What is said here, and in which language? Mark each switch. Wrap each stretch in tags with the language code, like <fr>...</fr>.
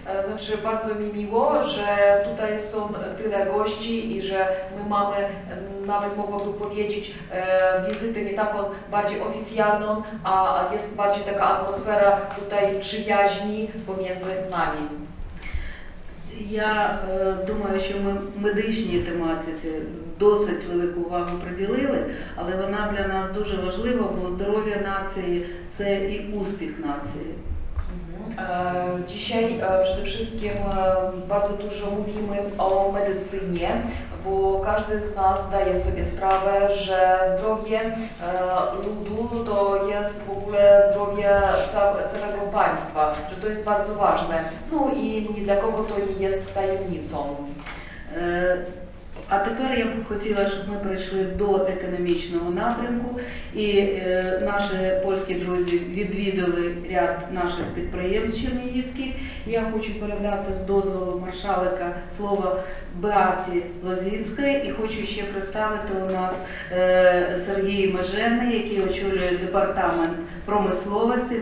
<uk>Дуже мені мило, що тут є тиле гості і що ми маємо, навіть могла би повідомити, візити не таку більш офіційну, а є більш така атмосфера тут приязні поміж нами. Я думаю, що ми медичній тематиці досить велику увагу приділили, але вона для нас дуже важлива, бо здоров'я нації – це і успіх нації.</uk> <pl>Dzisiaj przede wszystkim bardzo dużo mówimy o medycynie, bo każdy z nas daje sobie sprawę, że zdrowie ludu to jest w ogóle zdrowie całego państwa, że to jest bardzo ważne. No i nie dla kogo to nie jest tajemnicą.</pl> <uk>А тепер я б хотіла, щоб ми перейшли до економічного напрямку, і наші польські друзі відвідали ряд наших підприємств чернігівських. Я хочу передати з дозволу маршалика слово Беаті Лозінської, і хочу ще представити у нас Сергій Межений, який очолює департамент промисловості.</uk>